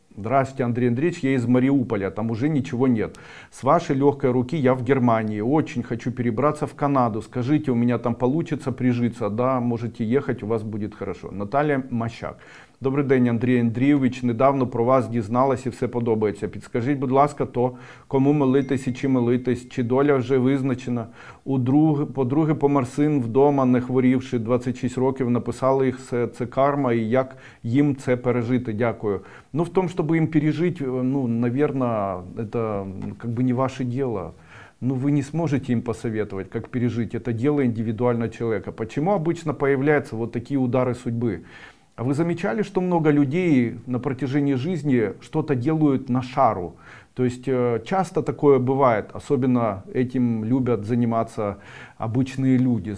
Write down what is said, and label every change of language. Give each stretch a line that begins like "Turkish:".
Russian: Здравствуйте, Андрей Андреевич, я из Мариуполя, там уже ничего нет. С вашей легкой руки я в Германии, очень хочу перебраться в Канаду. Скажите, у меня там получится прижиться? Да, можете ехать, у вас будет хорошо. Наталья Мощак. Добрый день, Андрей Андреевич, недавно про вас дізналась и все подобается.
Ukrainian: Підскажіть, будь ласка, то, кому молитись и чи молитись, чи доля вже визначена. У друг, подруги помер син вдома, не хворівши, 26 років, написали їх, це карма, і як їм це пережити, дякую. Ну, в тому, щоб їм пережити, ну, наверное, це, как бы, не ваше діло.
Russian: Ну, вы не сможете им посоветовать, как пережить, это дело индивидуального человека. Почему обычно появляются вот такие удары судьбы? А вы замечали, что много людей на протяжении жизни что-то делают на шару? То есть часто такое бывает, особенно этим любят заниматься обычные люди.